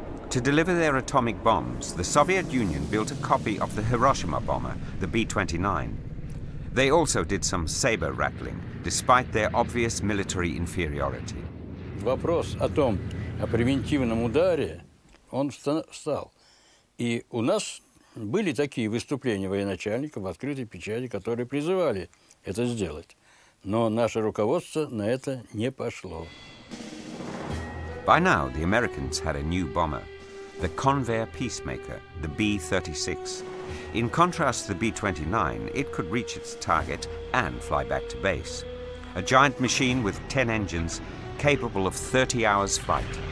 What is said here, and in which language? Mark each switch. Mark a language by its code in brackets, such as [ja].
[en] To deliver their atomic bombs, the Soviet Union built a copy of the Hiroshima bomber, the B-29. They also did some saber rattling, despite their obvious military inferiority. [ru] Вопрос о том, о превентивном ударе, он встал. И у нас были такие выступления военачальников в открытой печати, которые призывали это сделать. Но наше руководство на это не пошло. [en] By now, the Americans had a new bomber, the Convair Peacemaker, the B-36. In contrast to the B-29, it could reach its target and fly back to base. A giant machine with 10 engines, capable of 30 hours flight.